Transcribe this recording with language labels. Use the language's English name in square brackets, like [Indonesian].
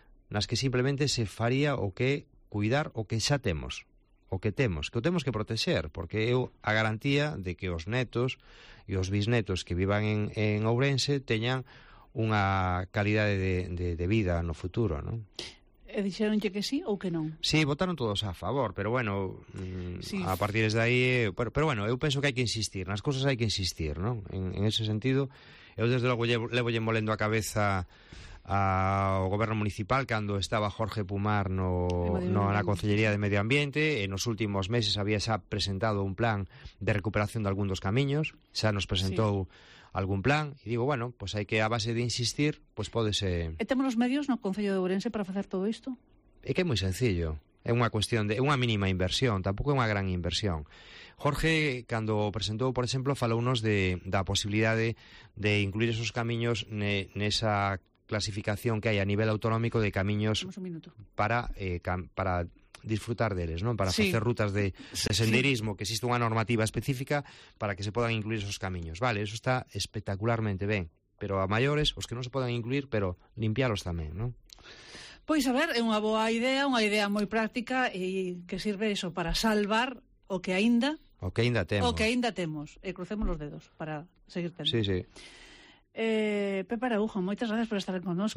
[Galician] nas que simplemente se faría o que cuidar o que xa temos, o que temos, que o temos que protexer, porque é a garantía de que os netos e os bisnetos que vivan en Ourense teñan unha calidade de vida no futuro, non? E dixeronlle que sí ou que non? Sí, votaron todos a favor, pero bueno, sí. A partir desde aí... Pero bueno, eu penso que hai que insistir, nas cousas hai que insistir, non? En ese sentido, eu desde logo levolle molendo a cabeza ao goberno municipal cando estaba Jorge Pumar na Concellería de Medio Ambiente, e nos últimos meses había xa presentado un plan de recuperación de algún dos camiños, xa nos presentou algún plan, e digo, bueno, pois hai que, a base de insistir, pois pódese... E temos os medios no Concello de Ourense para facer todo isto? É que é moi sencillo. É unha cuestión de unha mínima inversión, tampouco é unha gran inversión. Jorge, cando presentou, por exemplo, falounos da posibilidade de incluir esos camiños nesa [Spanish] clasificación que hay a nivel autonómico de caminos para disfrutar de ellos, ¿no? Para hacer rutas de senderismo, que existe una normativa específica para que se puedan incluir esos caminos. Vale, eso está espectacularmente bien. [Galician] Pero a mayores, os que non se podan incluir, pero limpiaros tamén, non? Pois a ver, é unha boa idea, unha idea moi práctica e que sirve iso para salvar o que aínda temos. O que aínda temos. E crucemos os dedos para seguir tendo. Sí, sí. Pepe Araújo, moitas gracias por estar connosco.